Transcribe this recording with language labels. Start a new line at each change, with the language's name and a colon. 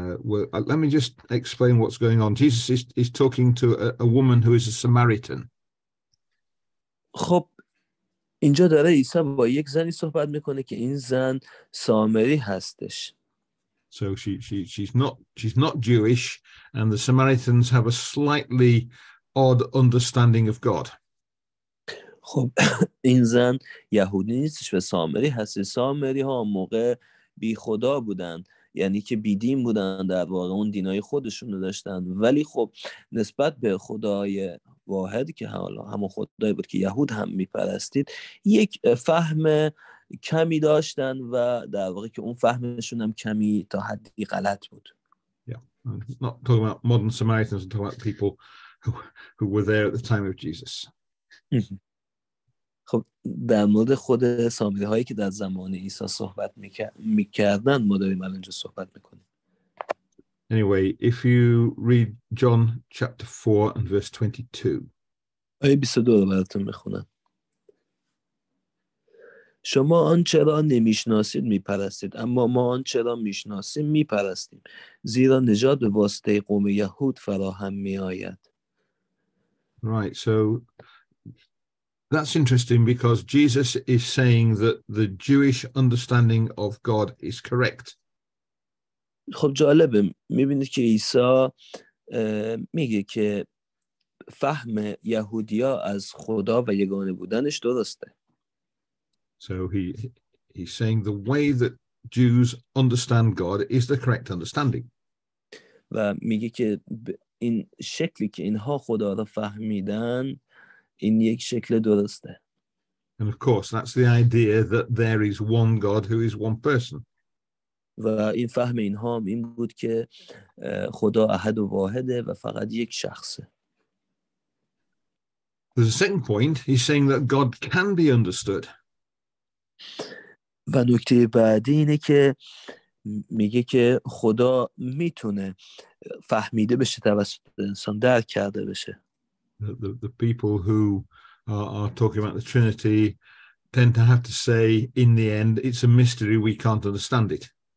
English: Well, let me just explain what's going on. Jesus is talking to a woman who is a Samaritan.
Persian: خب اینجا داره عیسی با یک زنی صحبت میکنه که این زن سامری هستش.
English: So she's not Jewish, and the Samaritans have a slightly odd understanding of God.
Persian: خب این زن یهودی نیستش و سامری هست. سامری ها موقع بی خدا بودن، یعنی که بی دین بودن در واقع، اون دینای خودشون رو داشتن، ولی خب نسبت به خدای واحد که حالا همون خدای بود که یهود هم میپرستید یک فهم کمی داشتن و در واقع که اون فهمشون هم کمی تا حدی غلط بود.
English: Not talking about modern Samaritans, I'm talking about people who were there at the time of Jesus.
Persian: خب در مورد خود سامری هایی که در زمان عیسی صحبت میکردن ما داریم الان اینجا صحبت میکنیم.
English: Anyway, if you read John chapter 4 and verse 22.
Persian: آیه 22 رو براتون میخونم. شما آنچه را نمیشناسید میپرستید، اما ما آنچه را میشناسیم میپرستیم، زیرا نجات به واسطه قوم یهود فراهم میآید.
English: Right, so that's interesting because Jesus is saying that the Jewish understanding of God is correct.
Persian: خب جالبه، میبینید که عیسی میگه که فهم یهودیا از خدا و یگانه بودنش درسته.
English: So He's saying the way that Jews understand God is the correct understanding.
Persian: و میگه که این شکلی که اینها خدا را فهمیدن این یک شکل درسته.
English: And of course that's the idea that there is one God who is one person.
Persian: و این فهم اینها این بود که خدا احد و واحده و فقط یک شخصه.
English: There's a second point. He's saying that God can be understood.
Persian: و نکته بعدی اینه که میگه که خدا میتونه فهمیده بشه توسط انسان، درک کرده بشه.
English: The people who are talking about the Trinity tend to have to say in the end it's a mystery, we can't understand it.